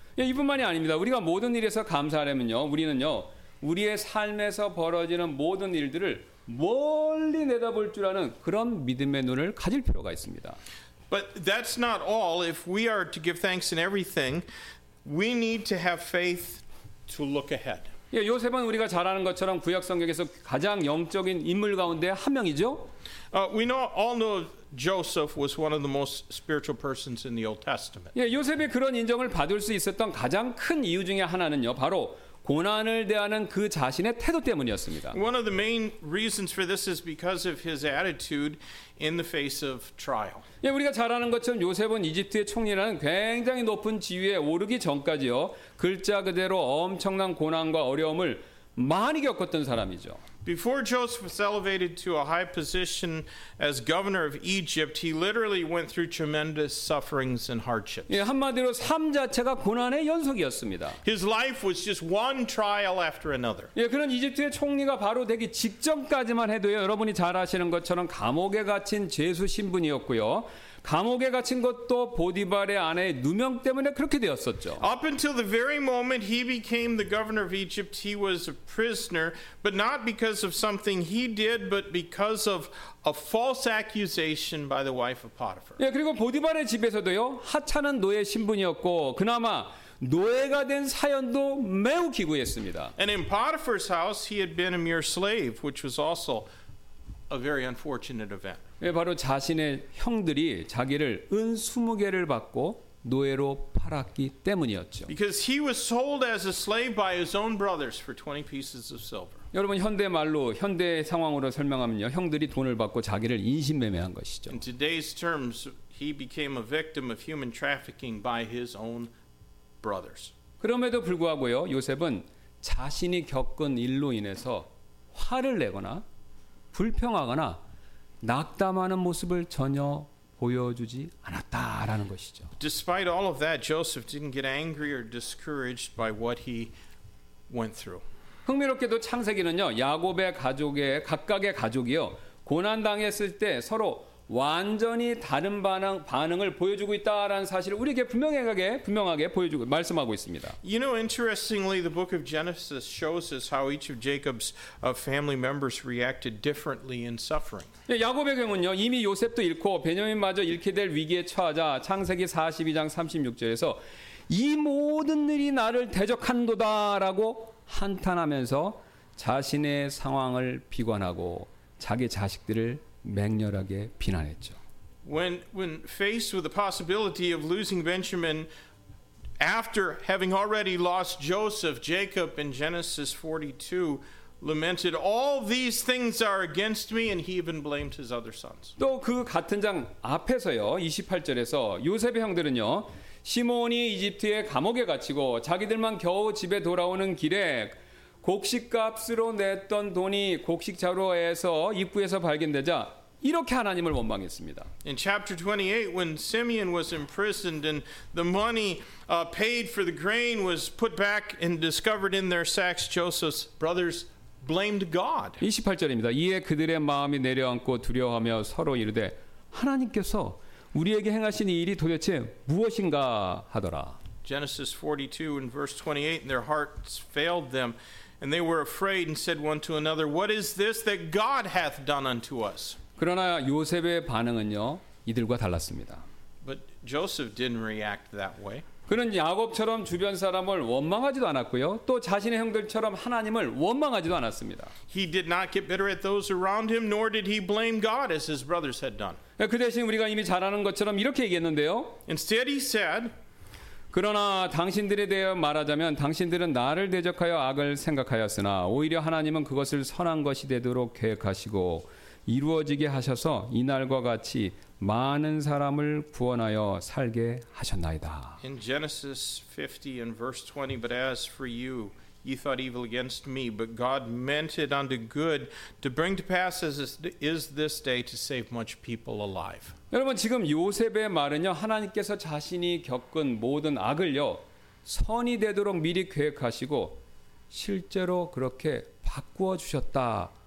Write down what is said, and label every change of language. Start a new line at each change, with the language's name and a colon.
Korean: 예, 이뿐만이 아닙니다. 우리가 모든 일에서 감사하려면요, 우리는요, 우리의 삶에서 벌어지는 모든 일들을 멀리 내다볼 줄 아는 그런 믿음의 눈을 가질 필요가 있습니다.
English: But that's not all. If we are to give thanks in everything, we need to have faith to look ahead.
Korean: 예, 요셉은 우리가 잘 아는 것처럼 구약 성경에서 가장 영적인 인물 가운데 한 명이죠.
English: We all know Joseph was one of the most spiritual persons in the Old Testament.
Korean: 예, 요셉이 그런 인정을 받을 수 있었던 가장 큰 이유 중에 하나는요, 바로 고난을 대하는 그 자신의 태도 때문이었습니다.
English: One of the main reasons for this is because of his attitude in the face of trial.
Korean: 예, 우리가 잘 아는 것처럼 요셉은 이집트의 총리라는 굉장히 높은 지위에 오르기 전까지요, 글자 그대로 엄청난 고난과 어려움을 많이 겪었던 사람이죠.
English: Before Joseph was elevated to a high position as governor of Egypt, he literally went through tremendous sufferings and hardships.
Korean: 예, 한마디로 삶 자체가 고난의 연속이었습니다.
English: His life was just one trial after another.
Korean: 예, 그는 이집트의 총리가 바로 되기 직전까지만 해도요, 여러분이 잘 아시는 것처럼 감옥에 갇힌 죄수 신분이었고요. 감옥에 갇힌 것도 보디발의 아내의 누명 때문에 그렇게 되었었죠.
English: Up until the very moment he became the governor of Egypt, he was a prisoner, but not because of something he did, but because of a false accusation by the wife of Potiphar.
Korean: 예, 그리고 보디발의 집에서도요, 하찮은 노예 신분이었고, 그나마 노예가 된 사연도 매우 기구했습니다.
English: And in Potiphar's house, he had been a mere slave, which was also a very unfortunate event.
Korean: 예, 바로 자신의 형들이 자기를 은 20개를 받고 노예로 팔았기 때문이었죠.
English: Because he was sold as a slave by his own brothers for 20 pieces of silver.
Korean: 여러분 현대 말로 현대 상황으로 설명하면요, 형들이 돈을 받고 자기를 인신매매한 것이죠.
English: In today's terms, he became a victim of human trafficking by his own brothers.
Korean: 그럼에도 불구하고요, 요셉은 자신이 겪은 일로 인해서 화를 내거나 불평하거나 낙담하는 모습을 전혀 보여주지 않았다라는 것이죠.
English: Despite all of that, Joseph didn't get angry or discouraged by what he went through.
Korean: 흥미롭게도 창세기는요, 야곱의 가족의 각각의 가족이요, 고난 당했을 때 서로 완전히 다른 반응을 보여주고 있다라는 사실을 우리에게 분명하게 보여주고 말씀하고 있습니다.
English: You know, interestingly, the book of Genesis shows us how each of Jacob's family members reacted differently in suffering.
Korean: 예, 야곱의 경우는요, 이미 요셉도 잃고 베냐민마저 잃게 될 위기에 처하자 창세기 42장 36절에서 이 모든 일이 나를 대적한도다라고 한탄하면서 자신의 상황을 비관하고 자기 자식들을 맹렬하게 비난했죠.
English: When faced with the possibility of losing Benjamin after having already lost Joseph, Jacob in Genesis 42 lamented, "All these things are against me," and he even blamed his other sons.
Korean: 또 그 같은 장 앞에서요, 28절에서 요셉의 형들은요, 시몬이 이집트의 감옥에 갇히고 자기들만 겨우 집에 돌아오는 길에 곡식값으로 냈던 돈이 곡식자루에서 입구에서 발견되자 이렇게 하나님을 원망했습니다.
English: In chapter 28, when Simeon was imprisoned and the money paid for the grain was put back and discovered in their sacks, Joseph's brothers blamed God.
Korean: 28절입니다. 이에 그들의 마음이 내려앉고 두려워하며 서로 이르되 하나님께서 우리에게 행하신 이 일이 도대체 무엇인가 하더라.
English: Genesis 42 and verse 28, and their hearts failed them, and they were afraid and said one to another, "What is this that God hath done unto us?"
Korean: 그러나 요셉의 반응은요, 이들과 달랐습니다.
English: But Joseph didn't react that way.
Korean: 그는 야곱처럼 주변 사람을 원망하지도 않았고요. 또 자신의 형들처럼 하나님을 원망하지도 않았습니다.
English: He did not get bitter at those around him, nor did he blame God as his brothers had done.
Korean: 그 대신 우리가 이미 잘 아는 것처럼 이렇게 얘기했는데요.
English: Instead, he said,
Korean: 그러나 당신들에 대해 말하자면 당신들은 나를 대적하여 악을 생각하였으나 오히려 하나님은 그것을 선한 것이 되도록 계획하시고 이루어지게 하셔서 이날과 같이 많은 사람을 구원하여 살게 하셨나이다.
English: In Genesis 50 and verse 20, but as for you, ye thought evil against me, but God meant it unto good to bring to pass as is this day to save much people alive.
Korean: 여러분 지금 요셉의 말은요 하나님께서 자신이 겪은 모든 악을요 선이 되도록 미리 계획하시고 실제로 그렇게 바꾸어 주셨다.